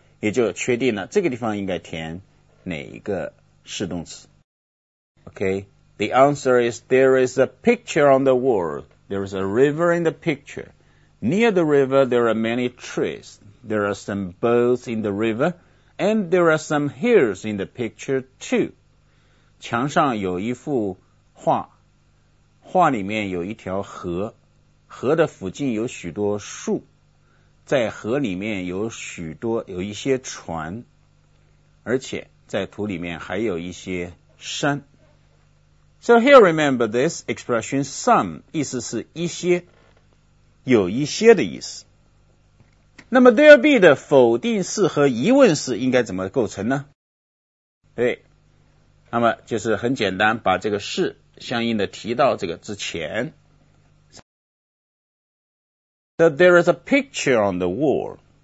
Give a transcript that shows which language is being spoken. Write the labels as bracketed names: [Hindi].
[Chinese] 也就确定了这个地方应该填哪一个是动词。 [English] Okay, the answer is there is a picture on the wall. There is a river in the picture. Near the river, there are many trees. There are some boats in the river. And there are some hills in the picture too. [Chinese] 墙上有一幅画，画里面有一条河，河的附近有许多树。在河里面有许多有一些船而且在图里面还有一些山 [English] So here remember this expression some [Chinese] 意思是一些有一些的意思那么 there be 的否定式和疑问式应该怎么构成呢对那么就是很简单把这个是相应的提到这个之前 [English] So there is a picture on the wall.